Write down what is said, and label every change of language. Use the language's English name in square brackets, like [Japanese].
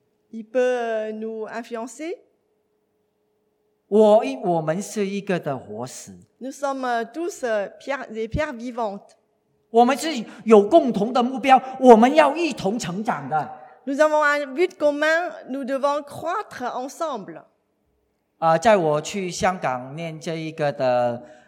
[French] Il peut nous influencer. [Chinese] 我们是一个的活石。 [French] Nous sommes tous des pierres vivantes. [Chinese] 我们是有共同的目标，我们要一同成长的。 [French] Nous avons un but commun, nous devons croître ensemble. [Chinese] 在我去香港念这一个的